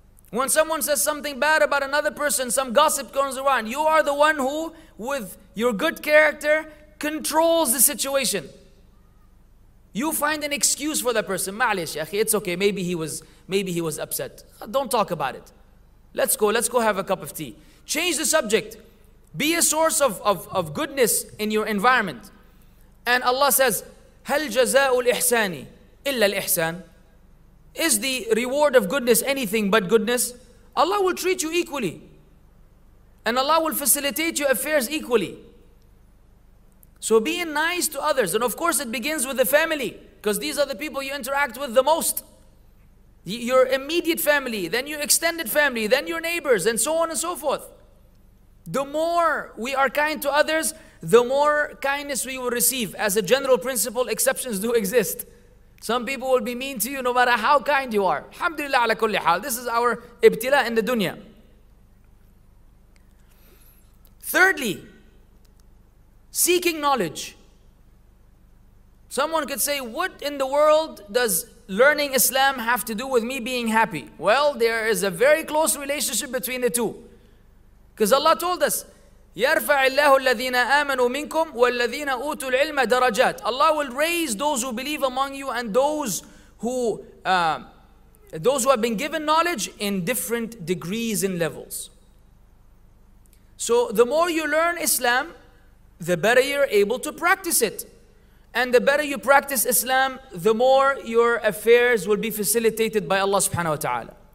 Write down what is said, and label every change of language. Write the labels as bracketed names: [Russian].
[English] When someone says something bad about another person, some gossip goes around, you are the one who, with your good character, controls the situation. You find an excuse for that person. [Arabic] Ma'alish, yaakhi, [English] it's okay. Maybe he was upset. Don't talk about it. Let's go have a cup of tea. Change the subject. Be a source of goodness in your environment. [Arabic] And Allah says, هَلْ جَزَاءُ الْإِحْسَانِ إِلَّا الْإِحْسَانِ. [English] Is the reward of goodness anything but goodness? Allah will treat you equally. And Allah will facilitate your affairs equally. So being nice to others, and of course it begins with the family, because these are the people you interact with the most. Your immediate family, then your extended family, then your neighbors, and so on and so forth. The more we are kind to others, the more kindness we will receive. As a general principle, exceptions do exist. Some people will be mean to you no matter how kind you are. [Arabic] Alhamdulillah ala kulli hal. [English] This is our ibtila in the dunya. Thirdly, seeking knowledge. Someone could say, what in the world does learning Islam have to do with me being happy? Well, there is a very close relationship between the two. [Arabic] Because Allah told us, يَرْفَعِ اللَّهُ الَّذِينَ آمَنُوا مِنْكُمْ وَالَّذِينَ أُوتُوا الْعِلْمَ دَرَجَاتِ. [English] Allah will raise those who believe among you and those who have been given knowledge in different degrees and levels. So the more you learn Islam, the better you're able to practice it. And the better you practice Islam, the more your affairs will be facilitated by Allah subhanahu wa ta'ala.